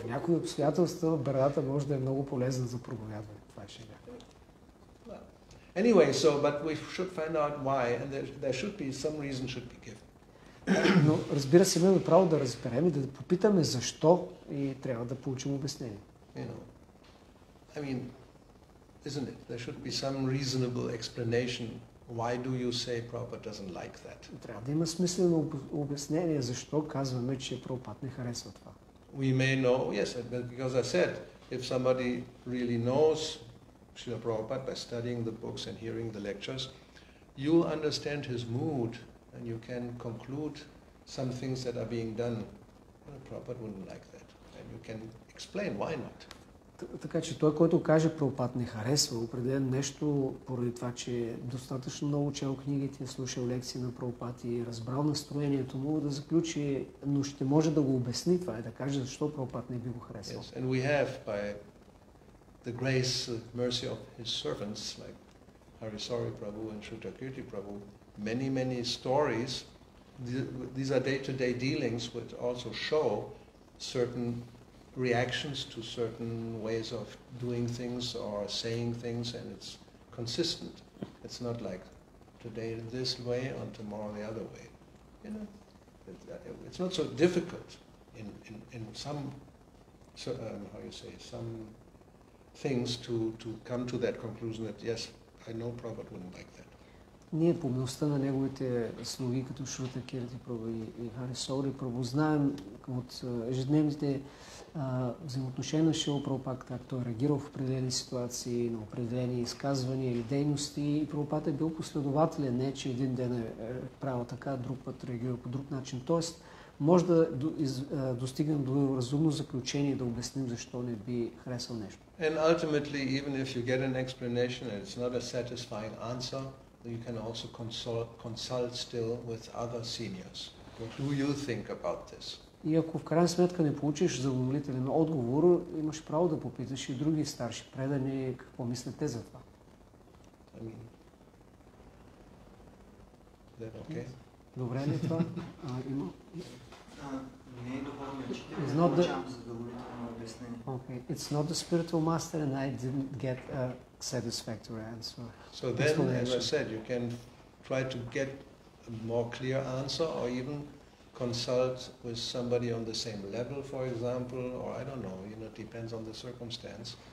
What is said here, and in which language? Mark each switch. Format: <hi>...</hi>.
<bg>В някои обстоятелства брадата може да е много полезна за проповядване. Това е шега.</bg> <en>Anyway, so but we should find out why and there should be some reason should be given.</en> <bg>Но разбира се, имаме право да разберем и да попитаме защо и трябва да получим обяснение.</bg> <en>You know, I mean, isn't it? There should be some reasonable explanation. Why do you say Prabhupada doesn't like that?</en> <bg>Трябва да има смислено обяснение защо казваме, че Прабхупад не харесва това.</bg> <en>We may know, yes, because I said, if somebody really knows Srila Prabhupada by studying the books and hearing the lectures, you understand his mood and you can conclude some things that are being done. Well, Prabhupada wouldn't like that. And you can explain why not.</en> <bg>Така че той, който каже Прабхупад не харесва определен нещо поради това, че достатъчно много чел книгите, слушал лекции на Прабхупад и разбрал настроението му, да заключи, но ще може да го обясни това и да каже защо Прабхупад не би го харесал.</bg> <en>Yes, and we have by the grace and mercy of his servants like Harisari Prabhu and Shrutakirti Prabhu many many stories. These are day-to-day dealings which also show certain reactions to certain ways of doing things or saying things, and it's consistent. It's not like today this way and tomorrow the other way. You know, it's not so difficult in some, so, how you say, some things to come to that conclusion that yes, I know Prabhupada wouldn't like that.</en> <bg>Ние по милостта на неговите слуги, като Шрута Кирти Прабху и Хари Сори Прабху, знаем от ежедневните взаимоотношения на Шрила Прабхупад, както е реагирал в определени ситуации, на определени изказвания или дейности. И Прабхупад е бил последователен, не че един ден е правил така, друг път реагирал по друг начин. Тоест, може да достигнем до разумно заключение да обясним защо не би харесал нещо.</bg> <en>And ultimately, even if you get an explanation and it's not a satisfying answer, you can also consult still with other seniors. What do you think about this?</en> <bg>И ако в крайна сметка не получиш задоволителен отговор, имаш право да попиташ и други старши предани какво мислят те за това.</bg> <en>I mean, that okay?</en> <bg>Добре ли е това? Има? Не е добър мечтител, но получавам задоволително обяснение.</bg> <en>It's not the spiritual master and I didn't get a satisfactory answer. So then, as I said, you can try to get a more clear answer or even consult with somebody on the same level, for example, or I don't know, you know, it depends on the circumstance.</en>